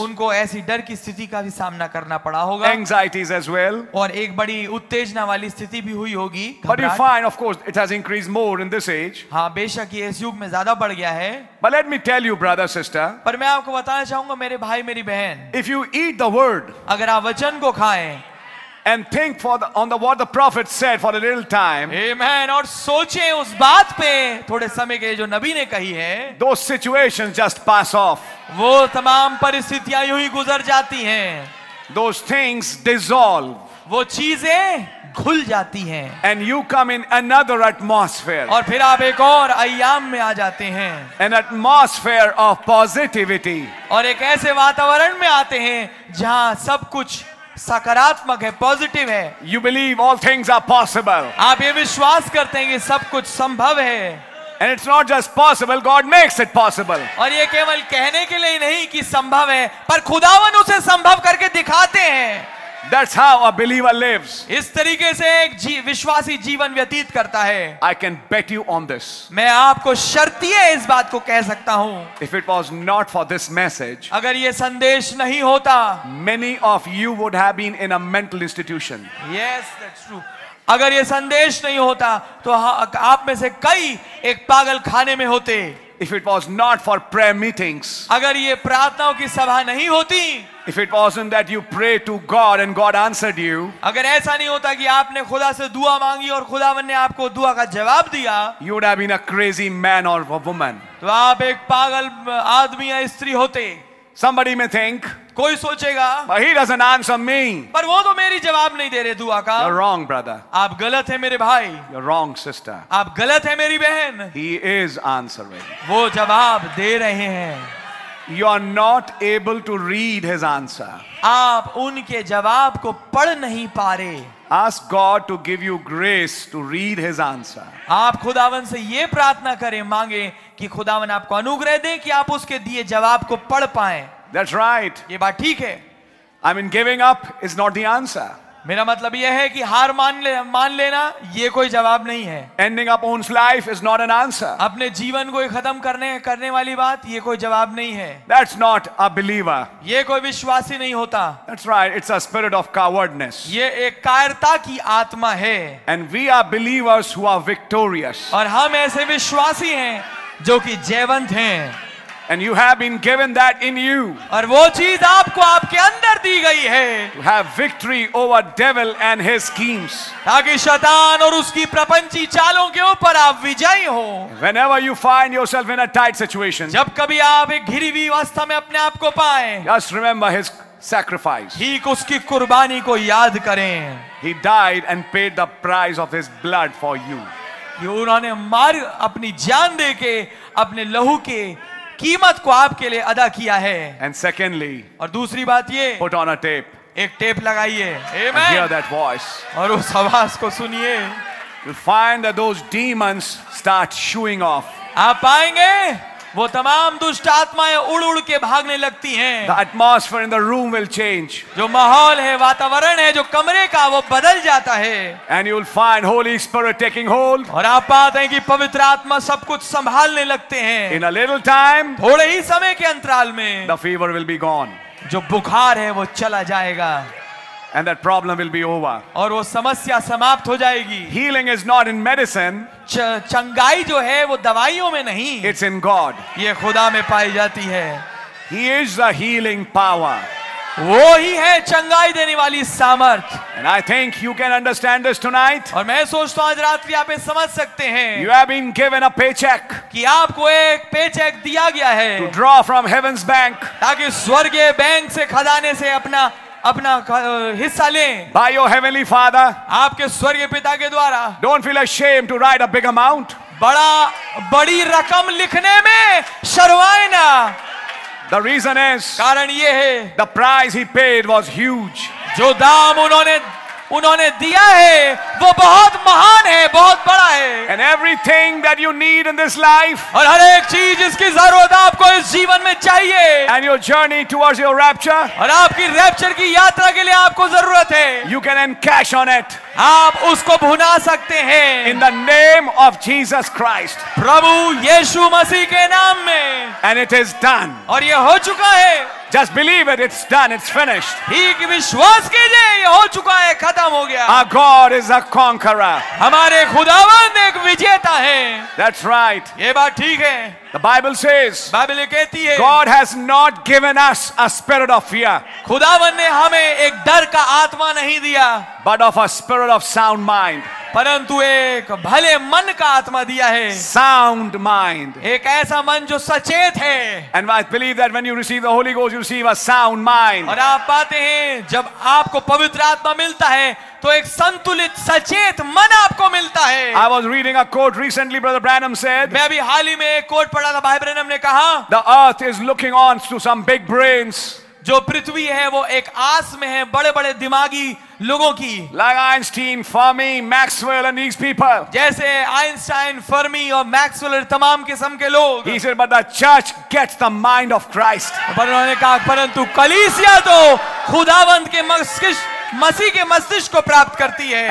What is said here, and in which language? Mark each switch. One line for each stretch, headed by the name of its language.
Hindi: उनको ऐसी डर की स्थिति का भी सामना करना पड़ा होगा.
English: Anxieties as well.
Hindi: और एक बड़ी उत्तेजना वाली स्थिति भी हुई होगी.
English: But you find, of course, it has increased more in this age.
Hindi: हाँ बेशक ये इस युग में ज्यादा बढ़ गया है.
English: But let me tell you, brother, sister.
Hindi: पर मैं आपको बताना चाहूंगा मेरे भाई मेरी बहन.
English: If you eat the word.
Hindi: अगर आप वचन को खाएं.
English: And think for the, on the what the prophet said for a little time. Amen.
Hindi: और सोचे उस बात पे थोड़े समय के जो नबी ने कही है.
English: Those situations just pass off.
Hindi: वो तमाम परिस्थितियाँ यूँ ही गुजर जाती हैं.
English: Those things dissolve.
Hindi: वो चीजें घुल जाती हैं.
English: And you come in another atmosphere.
Hindi: और फिर आप एक और आयाम में आ जाते हैं.
English: An atmosphere of positivity.
Hindi: और एक ऐसे वातावरण में आते हैं जहाँ सब कुछ सकारात्मक है, पॉजिटिव है.
English: You believe all things are possible.
Hindi: आप ये विश्वास करते हैं कि सब कुछ संभव है.
English: And it's not just possible, God makes it possible.
Hindi: और ये केवल कहने के लिए नहीं कि संभव है, पर खुदावन उसे संभव करके दिखाते हैं.
English: That's how a believer lives.
Hindi: इस तरीके से एक विश्वासी जीवन व्यतीत करता है.
English: I can bet you on this.
Hindi: मैं आपको शर्तीय इस बात को कह सकता हूँ.
English: If it was not for this message,
Hindi: अगर ये संदेश नहीं होता,
English: many of you would have been in a mental institution. Yes, that's true.
Hindi: अगर ये संदेश नहीं होता तो आप में से कई एक पागल खाने में होते.
English: If it was not for prayer meetings,
Hindi: अगर ये प्रार्थनाओं की सभा नहीं होती.
English: If it wasn't that you pray to God and God answered you,
Hindi: अगर ऐसा नहीं होता कि आपने खुदा से दुआ मांगी और खुदावन ने आपको दुआ का जवाब दिया,
English: you would have been a crazy man or a woman.
Hindi: तो आप एक पागल आदमी या स्त्री होते.
English: Somebody may think,
Hindi: कोई सोचेगा,
English: but he doesn't answer me.
Hindi: पर वो तो मेरी जवाब नहीं दे रहे दुआ का.
English: You're wrong, brother.
Hindi: आप गलत हैं मेरे भाई.
English: You're wrong, sister.
Hindi: आप गलत हैं मेरी बहन.
English: He is answering.
Hindi: वो जवाब दे रहे हैं.
English: You are not able to read his answer.
Hindi: आप उनके जवाब को पढ़ नहीं पा रहे.
English: Ask God to give you grace to read his answer.
Hindi: आप खुदावन से ये प्रार्थना करें, मांगे कि खुदावन आपको अनुग्रह दे कि आप उसके दिए जवाब को पढ़ पाए.
English: That's right.
Hindi: ये बात ठीक है.
English: I mean, giving up is not the answer.
Hindi: मेरा मतलब यह है कि हार मान लेना ये कोई जवाब नहीं है.
English: Ending up one's life is not an answer.
Hindi: अपने जीवन को खत्म करने वाली बात ये कोई जवाब नहीं है.
English: That's not a believer.
Hindi: ये कोई विश्वासी नहीं होता.
English: That's right. It's a spirit of cowardness.
Hindi: ये एक कायरता की आत्मा है.
English: And we are believers who are victorious.
Hindi: और हम ऐसे विश्वासी हैं जो कि जयवंत हैं.
English: And you have been given that in you.
Hindi: और वो चीज़ आपको आपके अंदर दी गई है.
English: To have victory over devil and his schemes.
Hindi: ताकि शैतान और उसकी प्रपंची चालों के ऊपर आप विजयी हो.
English: Whenever you find yourself in a tight situation.
Hindi: जब कभी आप एक घिरी हुई अवस्था में अपने आप को पाएं.
English: Just remember his sacrifice.
Hindi: ठीक उसकी कुर्बानी को याद करें.
English: He died and paid the price of his blood for you.
Hindi: कि उन्होंने मार अपनी जान देके अपने लहू के कीमत को आपके लिए अदा किया है.
English: And secondly,
Hindi: और दूसरी बात ये,
English: put on a tape.
Hindi: एक टेप लगाइए.
English: Amen. And hear that voice.
Hindi: और उस आवाज को सुनिए.
English: You'll find that those demons start shooing off.
Hindi: आप पाएंगे वो तमाम दुष्ट आत्माएं उड़ उड़ के भागने लगती हैं.
English: The atmosphere in the room will change.
Hindi: जो माहौल है, वातावरण है, जो कमरे का, वो बदल जाता है.
English: And you'll find Holy Spirit taking hold.
Hindi: और आप पाते हैं कि पवित्र आत्मा सब कुछ संभालने लगते हैं.
English: In a little time,
Hindi: थोड़े ही समय के अंतराल में,
English: the fever will be gone.
Hindi: जो बुखार है वो चला जाएगा.
English: And that problem will be over.
Hindi: और वो समस्या समाप्त हो जाएगी.
English: Healing is not in medicine.
Hindi: चंगाई जो है वो दवाइयों में नहीं.
English: It's in God.
Hindi: ये खुदा में पाई जाती है.
English: He is the healing power.
Hindi: वो ही है चंगाई देने वाली सामर्थ.
English: And I think you can understand this tonight.
Hindi: और मैं सोचता हूँ आज रात्रि आप समझ सकते हैं.
English: You have been given a paycheck.
Hindi: कि आपको एक paycheck दिया गया है.
English: To draw from heaven's bank.
Hindi: ताकि स्वर्गीय बैंक से खजाने से अपना अपना हिस्सा लें.
English: By your heavenly father.
Hindi: आपके स्वर्गीय पिता के द्वारा.
English: Don't feel ashamed to write a big amount.
Hindi: बड़ी रकम लिखने में शर्माए ना.
English: The reason is.
Hindi: कारण ये है.
English: The price he paid was huge.
Hindi: जो दाम उन्होंने दिया है वो बहुत महान है, बहुत बड़ा है.
English: And everything that you need in this life,
Hindi: और हर एक चीज जिसकी जरूरत आपको इस जीवन में चाहिए.
English: And your journey towards your rapture,
Hindi: और आपकी रैप्चर की यात्रा के लिए आपको जरूरत है.
English: You can encash on it,
Hindi: आप उसको भुना सकते हैं.
English: In the name of Jesus Christ,
Hindi: प्रभु यीशु मसीह के नाम में.
English: And it is done,
Hindi: और ये हो चुका है.
English: Just believe it, it's done, it's finished.
Hindi: ठीक विश्वास कीजिए, ये हो चुका है, खत्म हो गया.
English: Our God is a conqueror.
Hindi: हमारे खुदावंद एक विजेता है.
English: That's right.
Hindi: ये बात ठीक है.
English: The Bible says.
Hindi: बाइबल कहती है.
English: God has not given us a spirit of fear.
Hindi: खुदावंद ने हमें एक डर का आत्मा नहीं दिया.
English: But of a spirit of sound mind.
Hindi: परंतु एक भले मन का आत्मा दिया है.
English: Sound mind.
Hindi: एक ऐसा मन जो सचेत है.
English: And I believe that when you receive the Holy Ghost, you receive a sound mind.
Hindi: और आप पाते हैं जब आपको पवित्र आत्मा मिलता है तो एक संतुलित सचेत मन आपको मिलता है.
English: I was reading a quote recently, Brother Branham said.
Hindi: मैं अभी हाल ही में एक कोट पढ़ा था, भाई ब्रैनम ने कहा.
English: The earth is looking on to some big brains.
Hindi: जो पृथ्वी है वो एक आस में है बड़े बड़े दिमागी लोगों की
English: like Einstein, Fermi, Maxwell and these people.
Hindi: जैसे आइंस्टाइन फर्मी और मैक्सवेल तमाम किस्म के लोग
English: He said, but the church gets the mind of Christ.
Hindi: पर उन्होंने कहा परंतु कलीसिया तो खुदावंद के मस्तिष्क मसीह के मस्तिष्क को प्राप्त करती है